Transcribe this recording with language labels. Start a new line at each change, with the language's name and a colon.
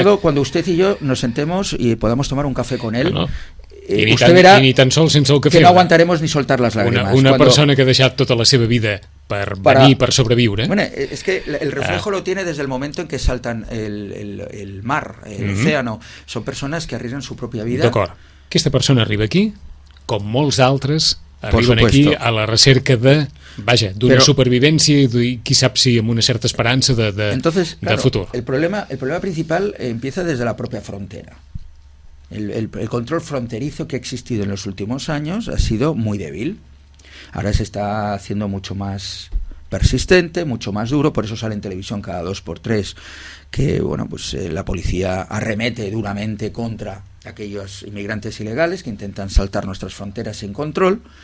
Catalan: Sobretot quan
Spanish: usted y yo nos sentemos y podamos tomar un café con él,
Catalan: no.
Spanish: Usted tan, verá
Catalan: ni tan sol sense el café,
Spanish: que no aguantaremos ni soltar las lágrimas.
Catalan: Una persona que ha deixat tota la seva vida per venir, per sobreviure...
Spanish: Bueno, es que el reflejo lo tiene desde el momento en que saltan el mar, el océano. Son personas que arriesgan su propia vida.
Catalan: D'acord. Aquesta persona arriba aquí, com molts altres, arriben aquí a la recerca de, vaja, d'una supervivència i qui sap si amb una certa esperança de futur.
Spanish: El problema principal empieza desde la propia frontera. El control fronterizo que ha existido en los últimos años ha sido muy débil. Ahora se está haciendo mucho más persistente, mucho más duro. Por eso sale en televisión cada 2x3 que, bueno, pues la policía arremete duramente contra aquellos inmigrantes ilegales que intentan saltar nuestras fronteras sin control.